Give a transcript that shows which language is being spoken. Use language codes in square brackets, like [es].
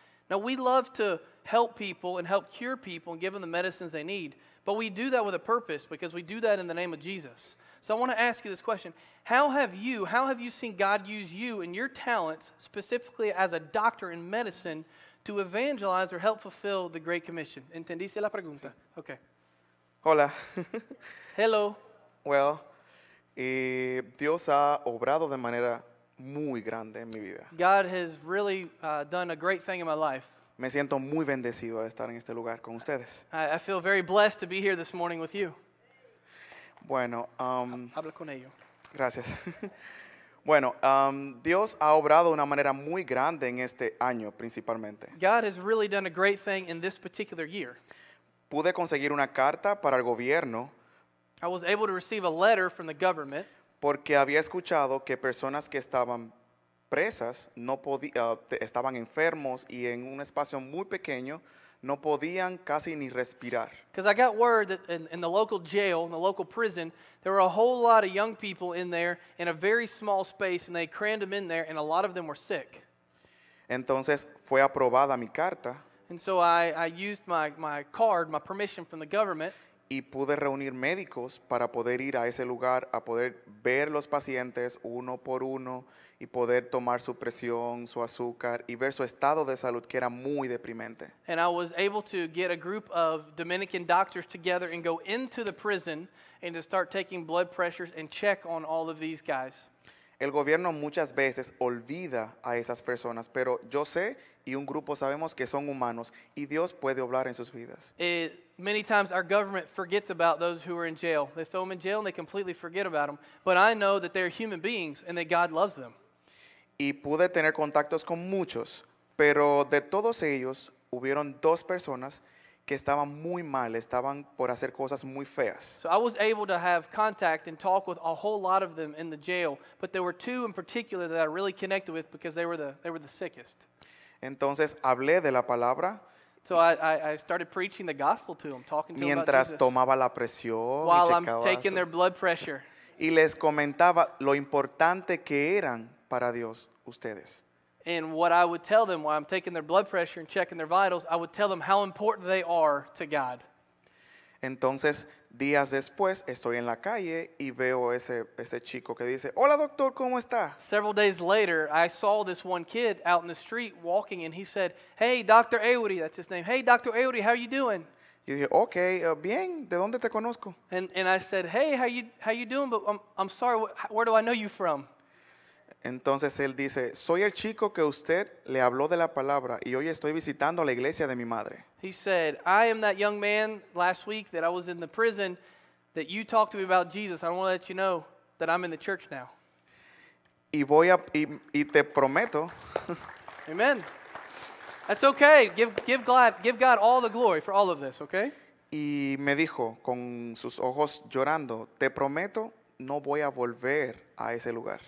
[en] Now, we love to help people and help cure people and give them the medicines they need, but we do that with a purpose because we do that in the name of Jesus. So I want to ask you this question. How have you seen God use you and your talents, specifically as a doctor in medicine, to evangelize or help fulfill the Great Commission? [es] ¿Entendiste la pregunta? Sí. Okay. Hola. [en] Hello. [es] Well, Dios ha obrado de manera muy grande en mi vida. [en] God has really done a great thing in my life. [es] Me siento muy bendecido al estar en este lugar con ustedes. [en] I feel very blessed to be here this morning with you. [es] Bueno, habla con ello. Gracias. Bueno, Dios ha obrado de una manera muy grande en este año, principalmente. [en] God has really done a great thing in this particular year. [es] Pude conseguir una carta para el gobierno. [en] I was able to receive a letter from the government. [es] Porque había escuchado que personas que estaban presas no estaban enfermos y en un espacio muy pequeño no podían casi ni respirar. [en] Because I got word that in the local jail, in the local prison, there were a whole lot of young people in there in a very small space, and they crammed them in there, and a lot of them were sick. [es] Entonces fue aprobada mi carta. [en] And so I used my card, my permission from the government. [es] y pude reunir médicos para poder ir a ese lugar a poder ver los pacientes uno por uno y poder tomar su presión, su azúcar y ver su estado de salud que era muy deprimente. [en] And I was able to get a group of Dominican doctors together and go into the prison and to start taking blood pressures and check on all of these guys. [es] El gobierno muchas veces olvida a esas personas, pero yo sé y un grupo sabemos que son humanos y Dios puede obrar en sus vidas. [en] Many times our government forgets about those who are in jail. They throw them in jail and they completely forget about them. But I know that they're human beings and that God loves them. [es] Y pude tener contactos con muchos, pero de todos ellos hubieron dos personas que estaban muy mal, estaban por hacer cosas muy feas. [en] So I was able to have contact and talk with a whole lot of them in the jail, but there were two in particular that I really connected with because they were the sickest. [es] Entonces hablé de la palabra. [en] So I started preaching the gospel to them, talking to them about Jesus. [es] tomaba la presión, [en] while I'm taking their blood pressure. [es] Y les comentaba lo importante que eran para Dios ustedes. [en] And what I would tell them while I'm taking their blood pressure and checking their vitals, I would tell them how important they are to God. [es] Entonces, días después, estoy en la calle y veo ese chico que dice, hola doctor, ¿cómo está? [en] Several days later, I saw this one kid out in the street walking and he said, hey, Dr. Eury, that's his name. Hey, Dr. Eury, how are you doing? [es] Yo dije, okay, bien, ¿de dónde te conozco? [en] And I said, hey, how you doing? But I'm sorry, where do I know you from? [es] Entonces él dice, soy el chico que usted le habló de la palabra y hoy estoy visitando la iglesia de mi madre. [en] He said, I am that young man last week that I was in the prison that you talked to me about Jesus. I don't want to let you know that I'm in the church now. [es] Y voy a, y te prometo. [en] Amen. That's okay. Give God all the glory for all of this, okay? [es] Y me dijo con sus ojos llorando, te prometo no voy a volver a ese lugar.